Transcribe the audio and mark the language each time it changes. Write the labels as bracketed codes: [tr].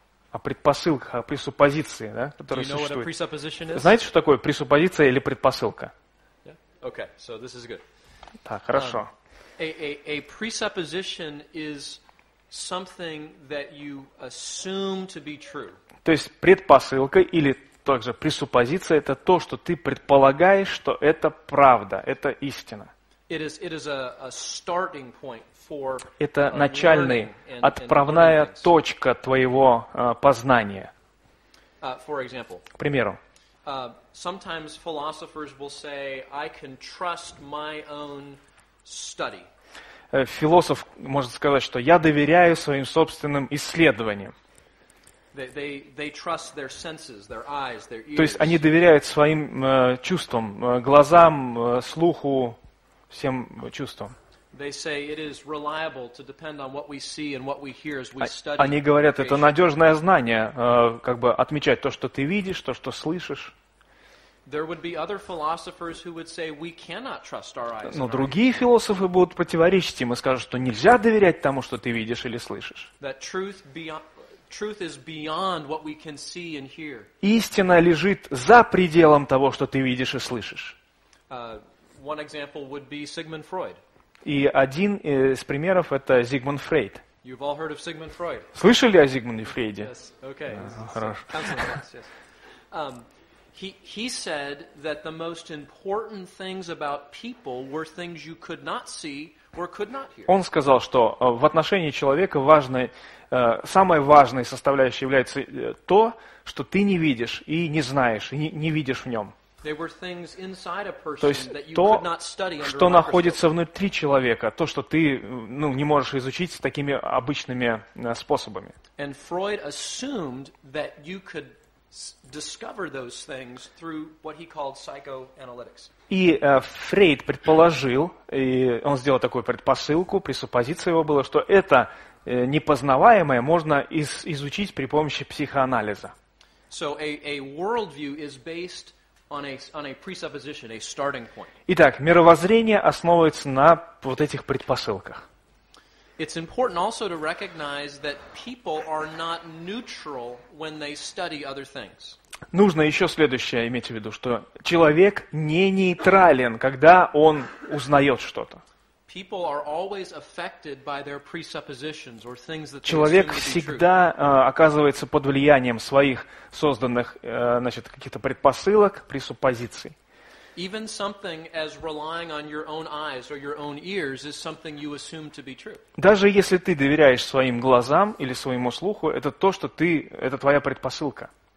[ru] О предпосылках, о пресуппозиции, да, которые существуют. Знаете, что такое пресуппозиция или предпосылка? [en] Yeah? Okay, so this is good. [ru] Так, хорошо. [en] A presupposition is something that you assume to be true. [ru] То есть предпосылка или также пресуппозиция — это то, что ты предполагаешь, что это правда, это истина. [en] It is a starting point for. [ru] Это начальный, отправная точка твоего познания. [en] For example. [ru] К примеру. [en] Sometimes philosophers will say, "I can trust my own study." [ru] Философ может сказать, что я доверяю своим собственным исследованиям. [en] They trust their senses, their eyes, their ears. [ru] То есть они доверяют своим чувствам, глазам, слуху, всем чувствам. Они говорят, это надежное знание, как бы отмечать то, что ты видишь, то, что слышишь. [en] There would be other philosophers who would say we cannot trust our eyes. [ru] Но другие философы будут противоречить им и скажут, что нельзя доверять тому, что ты видишь или слышишь. [en] That truth is beyond what we can see and hear. [ru] Истина лежит за пределом того, что ты видишь и слышишь. [en] One example would be Sigmund Freud. [ru] И один из примеров — это Зигмунд Фрейд. [en] You've all heard of Sigmund Freud. [ru] Слышали о Зигмунде Фрейде? [en] Yes. Okay. [ru] Хорошо. [en] He said that the most important things about people were things you could not see or could not hear. [ru] Он сказал, что в отношении человека важной, самой важной составляющей является то, что ты не видишь и не знаешь, и не видишь в нем. [en] They were things inside a person. [ru] То есть [en] that you could not study under. [ru] Что находится внутри человека, то, что ты, ну, не можешь изучить такими обычными способами. [en] And Freud assumed that you could discover those things through what he called psychoanalytics. [ru] И Фрейд предположил, и он сделал такую предпосылку, пресуппозиция его была, что это непознаваемое можно изучить при помощи психоанализа. [en] So a worldview is based on a presupposition, a starting point. [ru] Итак, мировоззрение основывается на вот этих предпосылках. [en] It's important also to recognize that people are not neutral when they study other things. [ru] Нужно еще следующее иметь в виду, что человек не нейтрален, когда он узнает что-то. [en] People are always affected by their presuppositions or things that. [ru] Человек всегда оказывается под влиянием своих созданных, значит, каких-то предпосылок, пресуппозиций. [en] Even something as relying on your own eyes or your own ears is something you assume to be true. [ru] Даже если ты доверяешь своим глазам или своему слуху, это то, что ты, это твоя предпосылка.